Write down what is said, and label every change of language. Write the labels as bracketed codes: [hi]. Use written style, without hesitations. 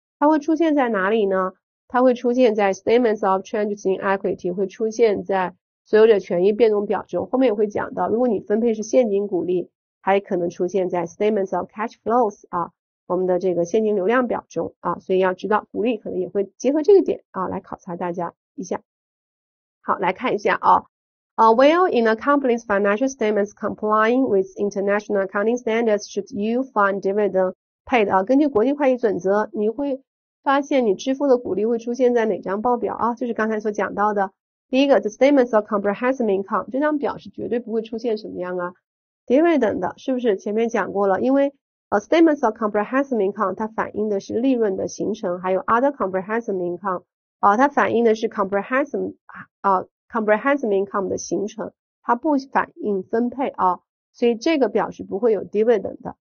[zh] 它会出现在哪里呢？它会出现在 statements of changes in equity，会出现在所有者权益变动表中。后面也会讲到，如果你分配是现金股利，还可能出现在 statements of cash flows 啊，我们的这个现金流量表中啊。所以要知道，股利可能也会结合这个点啊来考察大家一下。好，来看一下啊。 [en] Well, in a company's financial statements complying with international accounting standards, should you find dividend [zh] paid 啊，根据国际会计准则，你会发现你支付的股利会出现在哪张报表啊？就是刚才所讲到的，第一个 the statements of comprehensive income 这张表是绝对不会出现什么样啊 dividend 的，是不是？前面讲过了，因为statements of comprehensive income 它反映的是利润的形成，还有 other comprehensive income 啊，它反映的是 comprehensive income 的形成，它不反映分配啊，所以这个表是不会有 dividend 的。